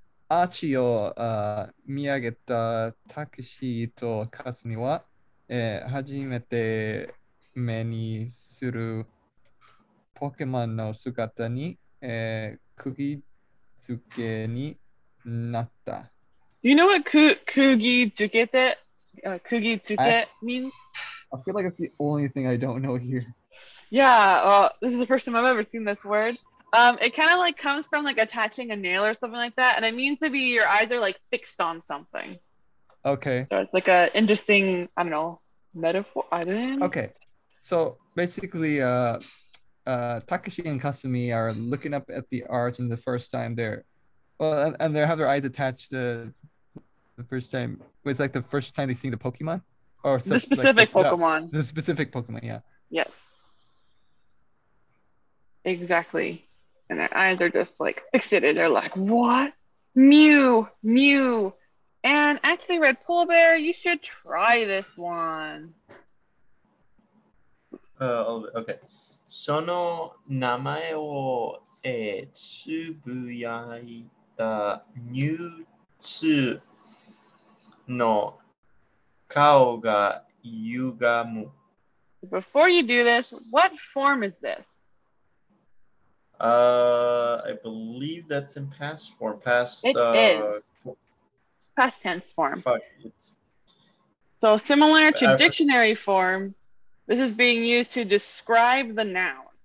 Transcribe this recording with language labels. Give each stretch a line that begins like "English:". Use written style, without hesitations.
Japanese: Archie を見上げたタクシーとカスミは、初めて目にするポケモンの姿に、釘付けになった。
English: You know what 釘付けて、釘付け means? I feel like it's the only thing I don't know here. Yeah, well, this is the first time I've ever seen this word. It kind of like comes from like attaching a nail or something like that, and it means to be your eyes are like fixed on something. Okay. So it's like an interesting, I don't know, metaphor? I don't know. Okay. So basically, Takashi and Kasumi are looking up at the arch and the first time they're, well, and they have their eyes attached the first time. It's like the first time they see the Pokemon? Or so, the specific like, Pokemon. The specific Pokemon, yeah. Yes. Exactly. And their eyes are just like fixated. They're like, what? Mew, Mew. And actually, Red Polar Bear, you should try this one. Okay.
Japanese: その名前を、つぶやいたミュウツーの顔が歪む。
English: Before you do this, what form is this? I believe that's in past form. Past, it is. Past tense form. Fuck, it's... So similar to dictionary form. This is being used to describe the noun.